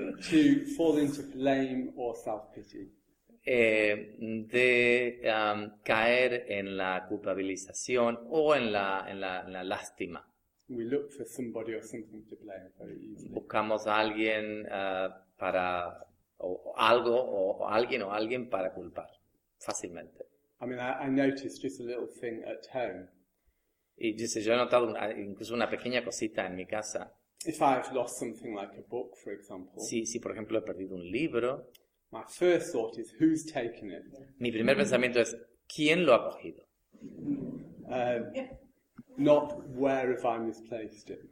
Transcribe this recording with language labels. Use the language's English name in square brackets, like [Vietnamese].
[English] To fall into blame or self-pity. [Spanish] De caer en la culpabilización o en la lástima. [English] We look for somebody or something to blame very easily. [Spanish] Buscamos a alguien para o alguien para culpar fácilmente. [English] I mean, I noticed just a little thing at home. [Spanish] Y dice, yo he notado incluso una pequeña cosita en mi casa. [English] If I've lost something like a book, for example. [Spanish] Si por ejemplo he perdido un libro. [English] My first thought is, who's taken it? [Spanish] Mi primer pensamiento es, ¿quién lo ha cogido? [English] Not where have I misplaced it.